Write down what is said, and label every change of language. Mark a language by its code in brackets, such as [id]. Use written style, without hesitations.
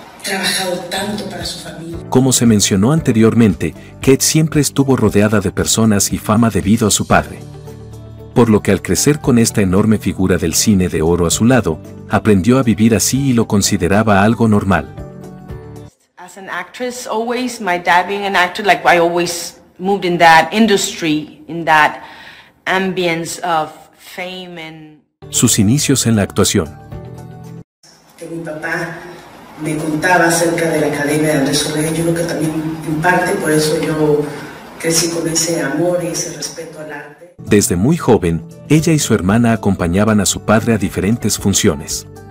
[es] trabajado tanto para su familia. Como se mencionó anteriormente, Kate siempre estuvo rodeada de personas y fama debido a su padre. Por lo que al crecer con esta enorme figura del cine de oro a su lado, aprendió a vivir así y lo consideraba algo normal. [en] As an actress, always, my dad being an actor, like I always moved in that industry, in that ambience of fame and... [es] Sus inicios en la actuación. Que mi papá me contaba acerca de la Academia de Andrés Orrego, yo creo que también en parte por eso yo crecí con ese amor y ese respeto al arte. Desde muy joven, ella y su hermana acompañaban a su padre a diferentes funciones.